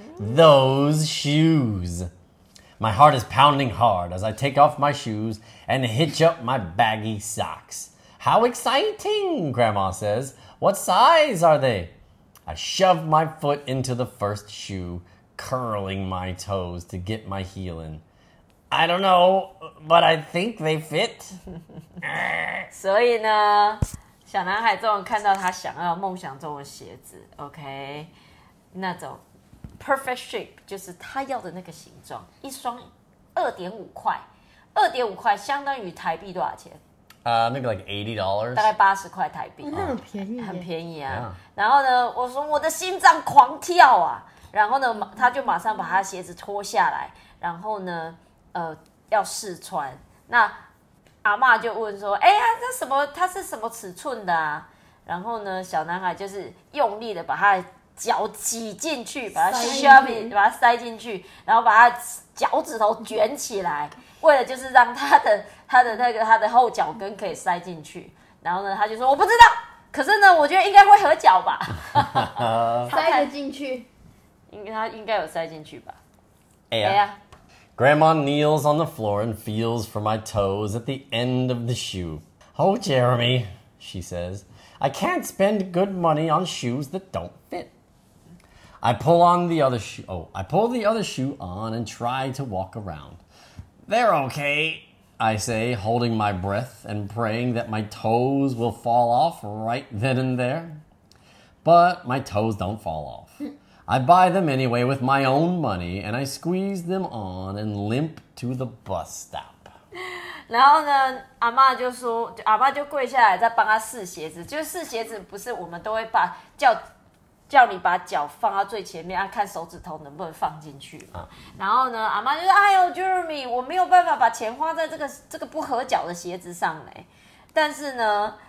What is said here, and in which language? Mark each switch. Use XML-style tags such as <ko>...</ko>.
<en>Those shoes. My heart is pounding hard as I take off my shoes and hitch up my baggy socks. How exciting, Grandma says. What size are they? I shove my foot into the first shoe. Curling my toes to get my heel in. I don't know, but I think they fit.</en> <zh>所以呢，小男孩终于看到他想要梦想中的鞋子。 OK， 那种 perfect shape 就是他要的那个形状，一双2.5块，2.5块相当于台币多少钱？</zh> <en>maybe like $80.</en> <zh>大概80块台币，那么便宜，很便宜啊。Yeah. 然后呢，我说我的心脏狂跳啊。然后呢，他就马上把他鞋子脱下来，然后呢，要试穿。那阿嬷就问说：“哎呀，这什么？它是什么尺寸的啊？”然后呢，小男孩就是用力的把他脚挤进去，把它</zh> <en>shove in，</en> <zh>把它塞进去，然后把它脚趾头卷起来，为了就是让他的后脚跟可以塞进去。然后呢，他就说我不知道，可是呢，我觉得应该会合脚吧，塞得进去，他应该有塞进去吧。哎呀。</zh> <en>Grandma kneels on the floor and feels for my toes at the end of the shoe. Oh, Jeremy, she says, I can't spend good money on shoes that don't fit. I pull the other shoe on and try to walk around. They're okay, I say, holding my breath and praying that my toes will fall off right then and there. But my toes don't fall off. I buy them anyway with my own money, and I squeeze them on and limp to the bus stop.</en> <zh>然后呢，阿妈就说，阿妈就跪下来在帮她试鞋子。就试鞋子，不是我们都会把叫你把脚放到最前面，啊，看手指头能不能放进去嘛。然后呢，阿妈就说：“哎呦 ，Jeremy， 我没有办法把钱花在这个不合脚的鞋子上嘞。” 但是呢。</zh>